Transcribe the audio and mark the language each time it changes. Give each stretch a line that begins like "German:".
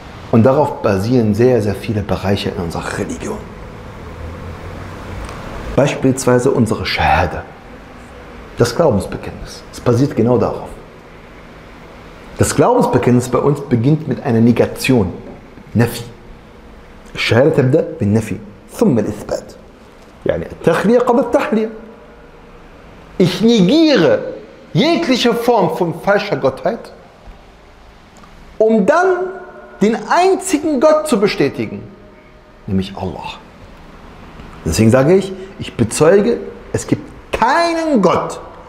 German: Und darauf basieren sehr, sehr viele Bereiche in unserer Religion. Beispielsweise unsere Shahada. Das Glaubensbekenntnis. Es basiert genau darauf. Das Glaubensbekenntnis bei uns beginnt mit einer Negation.
Arabic: Nafi. Shahada tabda bin Nafi. Thumma al-Ithbat. يعني التخلية قبل التحلية.
German: Ich negiere jegliche Form von falscher Gottheit, um dann den einzigen Gott zu bestätigen, nämlich Allah. Deswegen sage ich, ich bezeuge, es gibt keinen Gott.